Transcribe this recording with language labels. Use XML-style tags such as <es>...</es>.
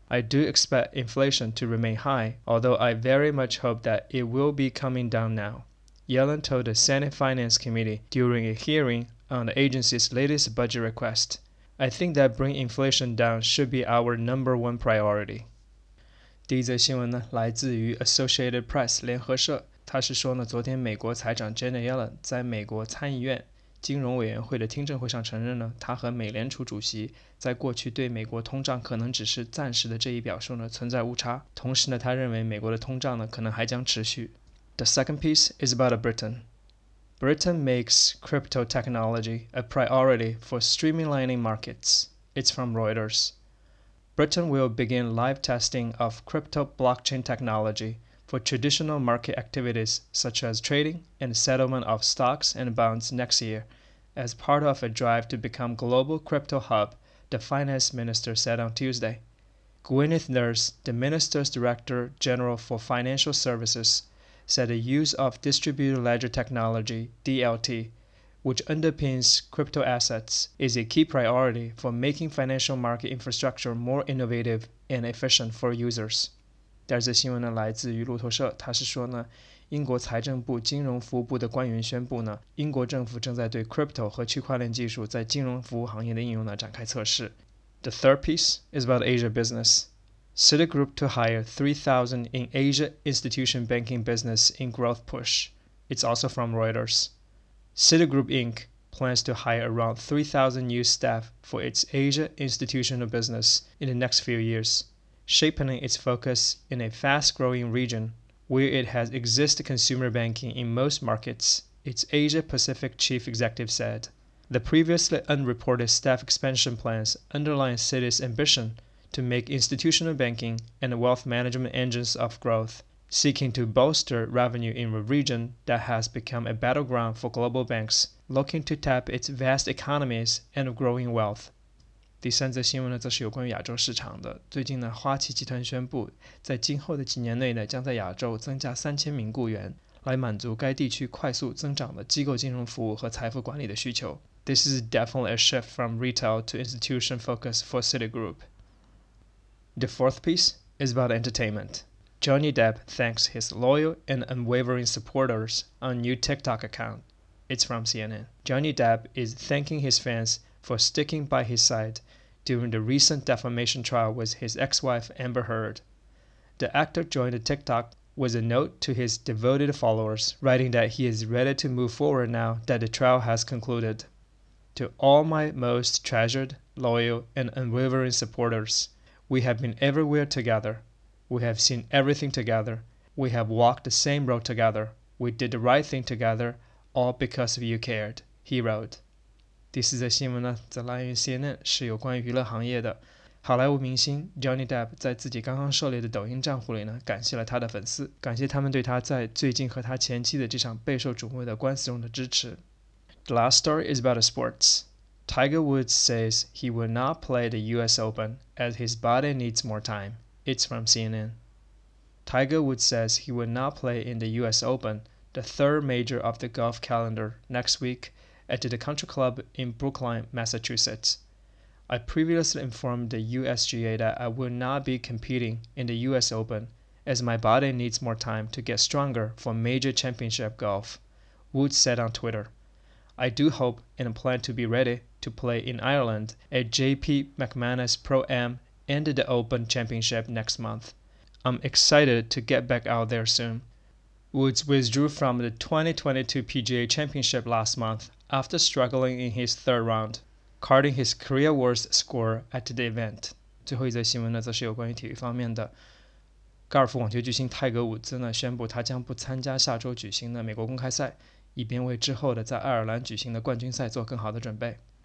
<en>I do expect inflation to remain high, although I very much hope that it will be coming down now, Yellen told the Senate Finance Committee during a hearing on the agency's latest budget request. I think that bringing inflation down should be our number one priority.</en> <zh>第一则新闻呢，来自于 Associated Press 联合社，他是说呢，昨天美国财长 Janet Yellen 在美国参议院金融委员会的听证会上承认呢，他和美联储主席在过去对美国通胀可能只是暂时的这一表述呢存在误差，同时呢，他认为美国的通胀呢可能还将持续。</zh> <en>The second piece is about Britain. Britain makes crypto technology a priority for streamlining markets. It's from Reuters. Britain will begin live testing of crypto blockchain technology for traditional market activities such as trading and settlement of stocks and bonds next year as part of a drive to become global crypto hub, the finance minister said on Tuesday. Gwyneth Nurse, the minister's director general for financial services, said the use of distributed ledger technology, DLT,which underpins crypto assets, is a key priority for making financial market infrastructure more innovative and efficient for users.</en> <zh>第二则新闻呢，来自于路透社，他是说呢，英国财政部金融服务部的官员宣布呢，英国政府正在对 crypto 和区块链技术在金融服务行业的应用呢展开测试。</zh> <en>The third piece is about Asia business. Citigroup to hire 3,000 in Asia institution banking business in growth push. It's also from Reuters. Citigroup Inc. plans to hire around 3,000 new staff for its Asia institutional business in the next few years, sharpening its focus in a fast-growing region where it has existing consumer banking in most markets, its Asia-Pacific chief executive said. The previously unreported staff expansion plans underline Citi's ambition to make institutional banking and wealth management engines of growth. Seeking to bolster revenue in a region that has become a battleground for global banks, looking to tap its vast economies and growing wealth.</en> <zh>第三则新闻呢，则是有关于亚洲市场的。最近呢，花旗集团宣布，在今后的几年内呢，将在亚洲增加3000名雇员，来满足该地区快速增长的机构金融服务和财富管理的需求。</zh> <en>This is definitely a shift from retail to institution focus for Citigroup. The fourth piece is about entertainment. Johnny Depp thanks his loyal and unwavering supporters on new TikTok account. It's from CNN. Johnny Depp is thanking his fans for sticking by his side during the recent defamation trial with his ex-wife Amber Heard. The actor joined TikTok with a note to his devoted followers, writing that he is ready to move forward now that the trial has concluded. To all my most treasured, loyal, and unwavering supporters, we have been everywhere together. We have seen everything together. We have walked the same road together. We did the right thing together, all because of you cared, he wrote.</en> <zh>第四则新闻呢，则来源于 CNN， 是有关于娱乐行业的。好莱坞明星 Johnny Depp 在自己刚刚设立的抖音账户里呢，感谢了他的粉丝，感谢他们对他在最近和他前妻的这场备受瞩目的官司中的支持。</zh> <en>The last story is about sports. Tiger Woods says he will not play the US Open as his body needs more time. It's from CNN. Tiger Woods says he will not play in the US Open, the third major of the golf calendar, next week at the country club in Brookline, Massachusetts. I previously informed the USGA that I will not be competing in the US Open as my body needs more time to get stronger for major championship golf, Woods said on Twitter. I do hope and plan to be ready to play in Ireland at JP McManus Pro-Am. Ended the Open Championship next month. I'm excited to get back out there soon. Woods withdrew from the 2022 PGA Championship last month after struggling in his third round, carding his career worst score at the event.</en> <zh>最后一则新闻呢，则是有关于体育方面的。高尔夫网球巨星泰格伍兹呢宣布他将不参加下周举行的美国公开赛，以便为之后的在爱尔兰举行的冠军赛做更好的准备。</zh>